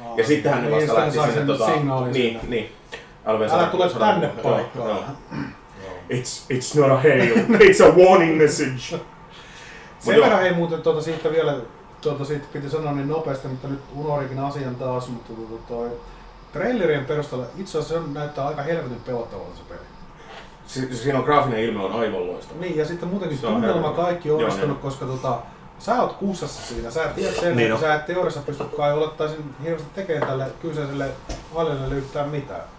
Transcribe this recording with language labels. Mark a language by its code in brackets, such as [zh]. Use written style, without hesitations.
[fi] Ja sittenhän ne vasta lähti sinne. Niin, älä tule tänne paikkaan. [en] It's not a hail, it's a warning message. [fi] Sen verran ei muuten siitä vielä, siitä piti sanoa niin nopeasti, mutta nyt unohdinkin asian taas, mutta trailerien perusteella itse asiassa se näyttää aika helvetin pelottavalta se peli. Siinä on graafinen ilme on aivan loistava. Niin, ja sitten muutenkin se tunnelma on kaikki onnistunut, niin, koska sä oot kussassa siinä, sä et tiedä sen, niin että sä et teoriassa pysty kai olettaisin hirveästi tekemään tälle kyseiselle alueelle yhtään mitään.